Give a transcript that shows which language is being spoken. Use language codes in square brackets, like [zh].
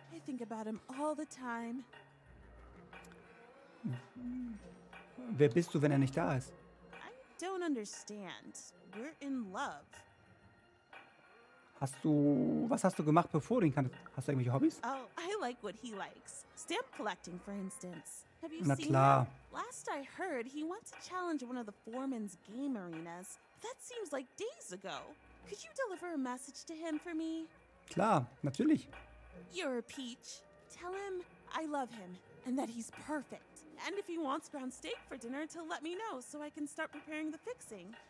[en] I think about him all the time. [de] Wer bist du, wenn er nicht da ist? [en] I don't understand. We're in love. [de] Was hast du gemacht, bevor du ihn kanntest? Hast du irgendwelche Hobbys? [en] Oh, I like what he likes. Stamp collecting, for instance. Have you [de] Na [en] seen [de] klar. [en] Him? Last I heard, he wants to challenge one of the foreman's game arenas. That seems like days ago. Could you deliver a message to him for me? [de] Klar, natürlich. [en] You're a peach. Tell him I love him and that he's perfect. And if he wants ground steak for dinner, to let me know so I can start preparing the fixing.